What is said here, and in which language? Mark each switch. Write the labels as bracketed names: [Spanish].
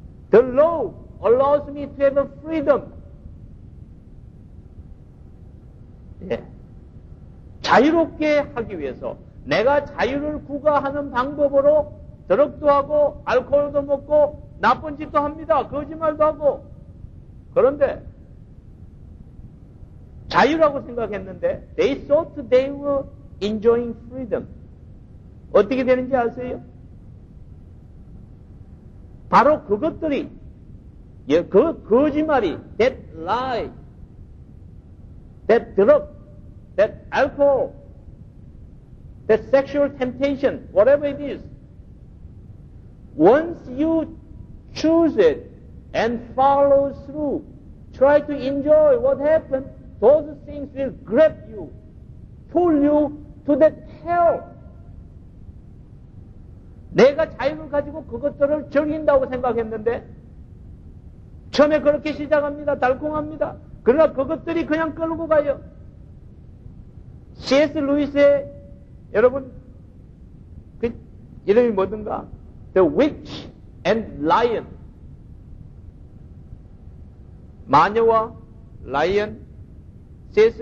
[English] The law allows me to have a freedom. [Korean] 예. 자유롭게 하기 위해서 내가 자유를 구가하는 방법으로 드럭도 하고 알코올도 먹고 나쁜 짓도 합니다. 거짓말도 하고. 그런데 자유라고 생각했는데 [English] they thought they were enjoying freedom. [Korean] 어떻게 되는지 아세요? 바로 그것들이 그 거짓말이 [English] that lie, that drug, that alcohol, that sexual temptation, whatever it is. Once you choose it and follow through, try to enjoy what happened, those things will grab you, pull you to that hell. [Korean] 내가 자유를 가지고 그것들을 즐긴다고 생각했는데 처음에 그렇게 시작합니다. 달콤합니다. 그러나 그것들이 그냥 끌고 가요. C.S. 루이스의 여러분 그 이름이 뭐든가 The Witch and Lion 마녀와 라이언 C.S.